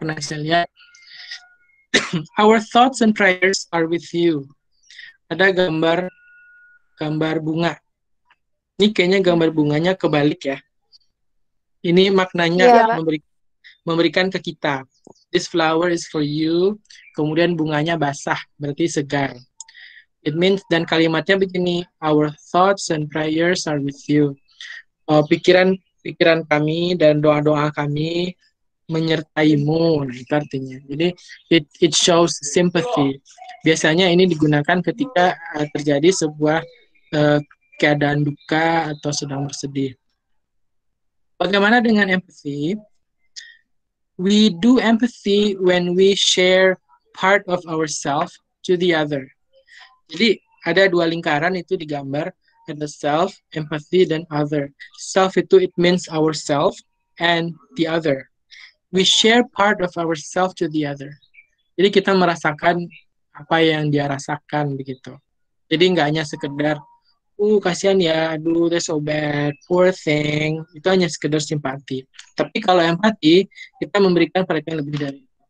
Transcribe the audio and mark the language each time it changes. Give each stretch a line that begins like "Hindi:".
Indonesian: Pernah saya lihat.
English: Our thoughts and prayers are with you.
Indonesian: Ada gambar bunga. Ini kayaknya gambar bunganya kebalik ya. Ini maknanya memberikan ke kita.
English: This flower is for you.
Indonesian: Kemudian bunganya basah, berarti segar.
English: It means,
Indonesian: dan kalimatnya begini,
English: our thoughts and prayers are with you.
Indonesian: Pikiran-pikiran kami dan doa-doa kami menyertaimu, itu artinya. Jadi,
English: it shows sympathy.
Indonesian: Biasanya ini digunakan ketika terjadi sebuah keadaan duka atau sedang bersedih. Bagaimana dengan empathy?
English: We do empathy when we share part of ourselves to the other.
Indonesian: Jadi ada dua lingkaran itu di gambar, ada self, empathy, dan other.
English: Self itu it means ourself and the other. We share part of ourself to the other.
Indonesian: Jadi kita merasakan apa yang dia rasakan begitu. Jadi nggak hanya sekedar, kasihan ya, aduh,
English: that's so bad, poor thing.
Indonesian: Itu hanya sekedar simpati. Tapi kalau empathy, kita memberikan perhatian lebih dari.